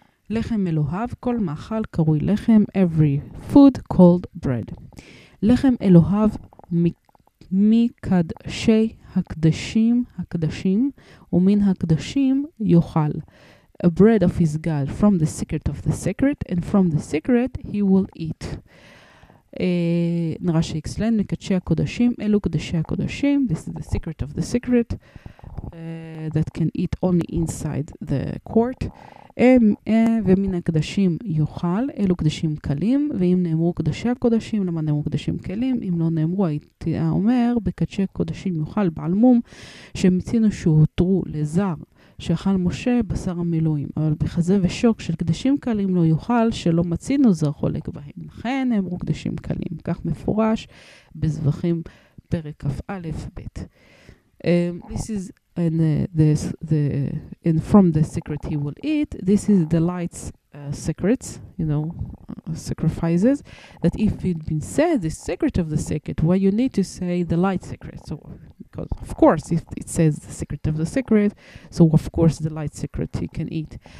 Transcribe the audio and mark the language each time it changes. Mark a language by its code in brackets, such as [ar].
[he] לחם אלוהיו, כל מאכל קרוי לחם, [en] every food called bread. [he] לחם אלוהיו מקדשי הקדשים, הקדשים, ומן הקדשים יאכל. [en] A bread of his God, from the secret of the sacred, and from the sacred he will eat. [he] נראה שאקסלן, מקדשי הקודשים, אלו קדשי הקודשים, [en] this is the secret of the sacred, that can eat only inside the court. [he] ומן הקדשים יאכל, אלו קדשים קלים, ואם נאמרו קדשי הקודשים, למה נאמרו קדשים קלים? אם לא נאמרו, הייתי אומר, בקדשי קודשים יאכל בעל מום, שמצינו שהותרו לזר, שאכל משה בשר המילואים, אבל בחזה ושוק של קדשים קלים לא יאכל, שלא מצינו זר חולק בהם. לכן נאמרו קדשים קלים, כך מפורש בזבחים פרק א' ב'. [en] This is and this the and from the secret he will eat. This is the light's secrets, you know, sacrifices. That if it been said the secret of the secret, why you need to say the light secret? So because of course if it says the secret of the secret, so of course the light secret he can eat.